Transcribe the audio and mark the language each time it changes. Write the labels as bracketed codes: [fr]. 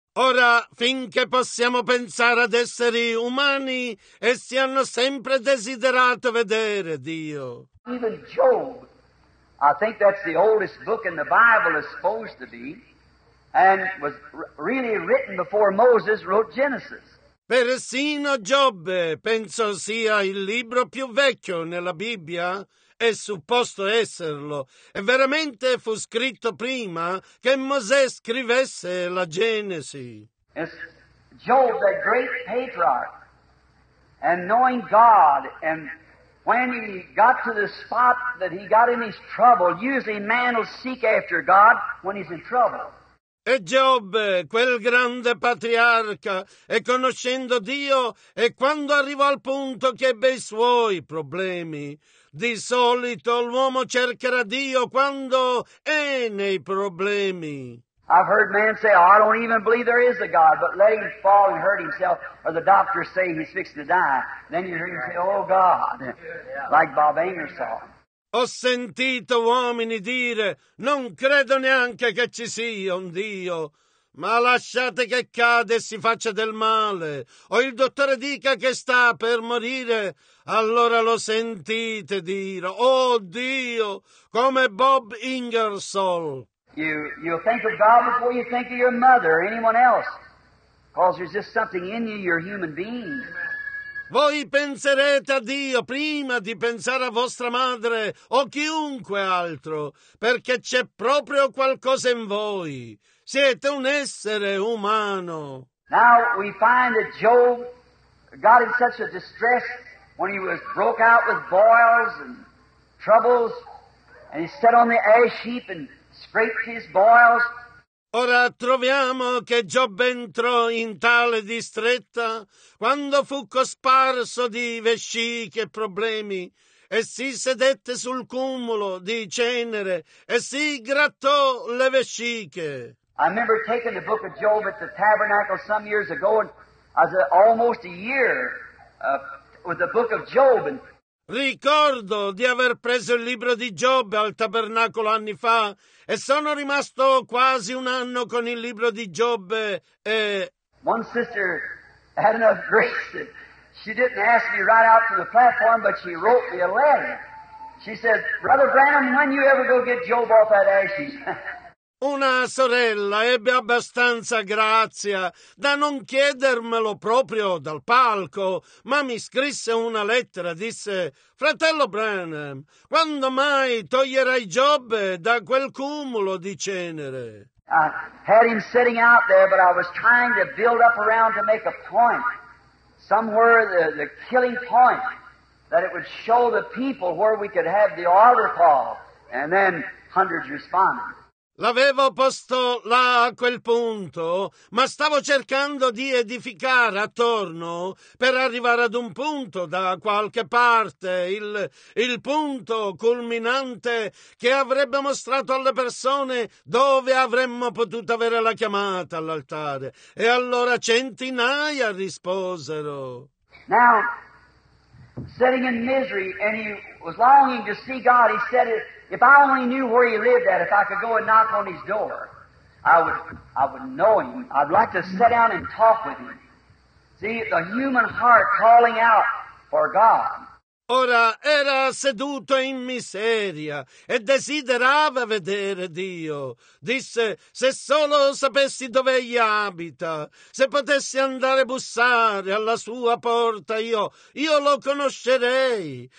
[it] Ora, finché possiamo pensare ad esseri umani, essi hanno sempre desiderato vedere Dio. [en] Even Job, I think that's the oldest book in the Bible is supposed to be, and was really written before Moses wrote Genesis. [it] Persino Giobbe, penso sia il libro più vecchio nella Bibbia, è supposto esserlo, e veramente fu scritto prima che Mosè scrivesse la Genesi. [en] It's Job, the great patriarch, and knowing God, and when he got to the spot that he got in his trouble, usually man will seek after God when he's in trouble. [it] E Giobbe, quel grande patriarca, e conoscendo Dio, e quando arrivò al punto che ebbe i suoi problemi, di solito l'uomo cercherà Dio quando è nei problemi. [en] I've heard man say, oh, I don't even believe there is a God, but let him fall and hurt himself, or the doctor say he's fixing to die. Then you hear him say, oh God, like Bob Ingersoll. [it] Ho sentito uomini dire, non credo neanche che ci sia un Dio, ma lasciate che cada e si faccia del male, o il dottore dica che sta per morire, allora lo sentite dire, oh Dio, come Bob Ingersoll. [en] You think of God before you think of your mother or anyone else, because there's just something in you, you're a human being. [it] Voi penserete a Dio prima di pensare a vostra madre o chiunque altro, perché c'è proprio qualcosa in voi. Siete un essere umano. [en] Now we find that Job got in such a distress when he was broke out with boils and troubles, and he sat on the ash heap and scraped his boils. [it] Ora troviamo che Giobbe entrò in tale distretta quando fu cosparso di vesciche e problemi e si sedette sul cumulo di cenere e si grattò le vesciche. [en] I remember taking the book of Job at the tabernacle some years ago, and I was almost a year with the book of Job. And [it] ricordo di aver preso il libro di Giobbe al tabernacolo anni fa e sono rimasto quasi un anno con il libro di Giobbe e... [en] One sister had enough grace. She didn't ask me right out to the platform, but she wrote me a letter. She said, Brother Branham, when you ever go get Job off that ashes? [it] Una sorella ebbe abbastanza grazia da non chiedermelo proprio dal palco, ma mi scrisse una lettera, disse, fratello Branham, quando mai toglierai Giobbe da quel cumulo di cenere? [en] I had him sitting out there, but I was trying to build up around to make a point, somewhere the killing point, that it would show the people where we could have the altar call, and then hundreds responded. [it] L'avevo posto là a quel punto, ma stavo cercando di edificare attorno per arrivare ad un punto da qualche parte, il punto culminante che avrebbe mostrato alle persone dove avremmo potuto avere la chiamata all'altare. E allora centinaia risposero. [en] Now, sitting in misery, and he was longing to see God, he said it. If I only knew where he lived at, if I could go and knock on his door, I would know him. I'd like to sit down and talk with him. See, the human heart calling out for God. [it] Ora era seduto in miseria e desiderava vedere Dio. Disse: se solo sapessi dove egli abita, se potessi andare a bussare alla sua porta, io lo conoscerei.